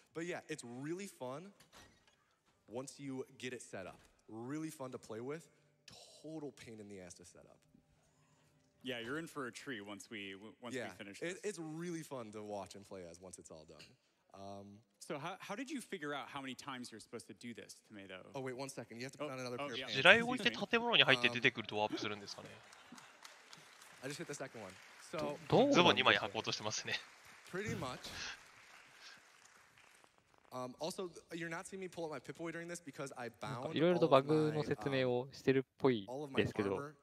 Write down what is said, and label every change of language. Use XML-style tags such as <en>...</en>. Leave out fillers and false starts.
<en>But yeah, it's really fun once you get it set up. Really fun to play with. Total pain in the ass to set up. Yeah, you're in for a treat once we finish this. It's really fun to watch and play as once it's all done. So how did you figure out how many times you're supposed to do this, Tomato? Oh wait, one second. You have to put on another pair of pants.</en> <ja>地雷を置いて建物に入って出てくるとワープするんですかね。</ja> <en>I just hit the second one. So</en> <ja>ズボン2枚履こうとしてますね。</ja> <en>Pretty much. Also, you're not seeing me pull up my Pip-Boy during this because I bound.</en> <ja>いろいろとバグの説明をしてるっぽいですけど。</ja>